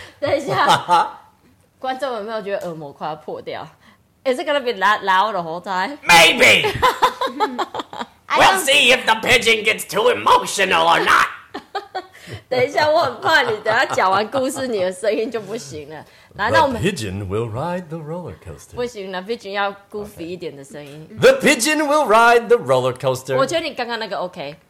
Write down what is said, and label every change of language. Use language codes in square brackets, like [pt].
[zh] 等一下，观众有没有觉得耳膜快要破掉？ [en] Is it gonna be that loud the whole time? Maybe. We'll see if the pigeon gets too emotional or not. [zh] 等一下，我很怕你等下讲完故事，你的声音就不行了。 [en] The pigeon will ride the roller coaster. [zh] 不行了 ，pigeon 要 goofy 一点的声音。 [en] The pigeon will ride the roller coaster. [zh] 我觉得你刚刚那个 OK。